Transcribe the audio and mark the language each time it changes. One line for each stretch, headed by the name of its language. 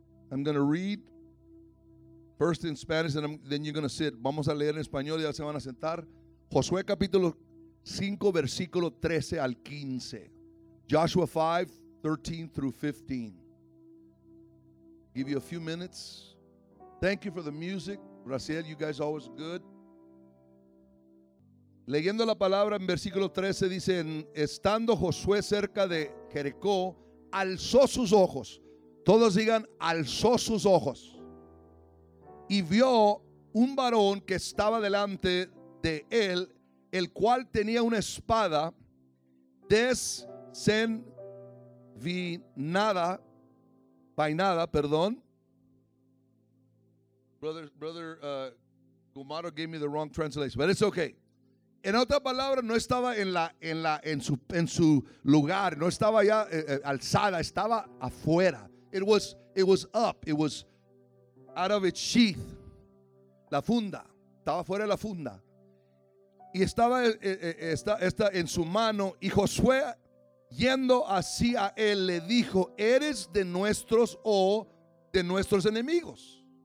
English: I'm going to read first in Spanish and then you're going to sit.
Spanish: Vamos a leer en español y ya se van a sentar. Josué capítulo 5, versículo 13 al 15.
English: Joshua 5, 13 through 15. Give you a few minutes. Thank you for the music. Raciel, you guys are always good.
Spanish: Leyendo la palabra en versículo 13, dicen, estando Josué cerca de Jericó, alzó sus ojos. Todos digan, alzó sus ojos. Y vio un varón que estaba delante de él, el cual tenía una espada desenvainada.
English: Brother Gumaro gave me the wrong translation, but it's okay.
Spanish: En otra palabra, no estaba en su lugar, no estaba ya alzada, estaba afuera.
English: It was up, it was out of its sheath,
Spanish: la funda, estaba fuera de la funda. Y estaba esta en su mano, y Josué, yendo hacia él, le dijo, ¿eres de nuestros o de nuestros enemigos?